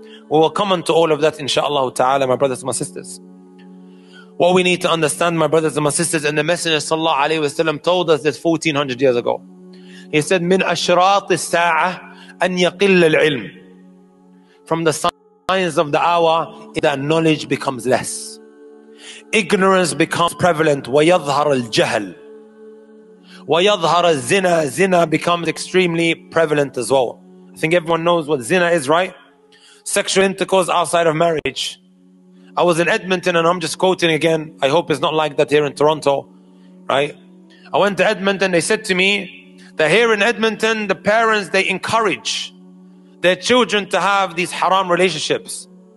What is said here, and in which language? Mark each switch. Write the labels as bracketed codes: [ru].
[en] We will come on to all of that, inshallah ta'ala, my brothers and my sisters. What we need to understand, my brothers and my sisters, and the Messenger sallallahu alayhi wasallam told us this 1400 years ago. He said, [ar] "Min ashrat as-sa'a an yaqill al-'ilm." [en] From the signs of the hour, that knowledge becomes less. Ignorance becomes prevalent. [ar] ويظهر الجهل ويظهر الزنا. [en] Zina becomes extremely prevalent as well. I think everyone knows what zina is, right? Sexual intercourse outside of marriage. I was in Edmonton, and I'm just quoting again. I hope it's not like that here in Toronto, right? I went to Edmonton. They said to me that here in Edmonton, the parents, they encourage their children to have these haram relationships.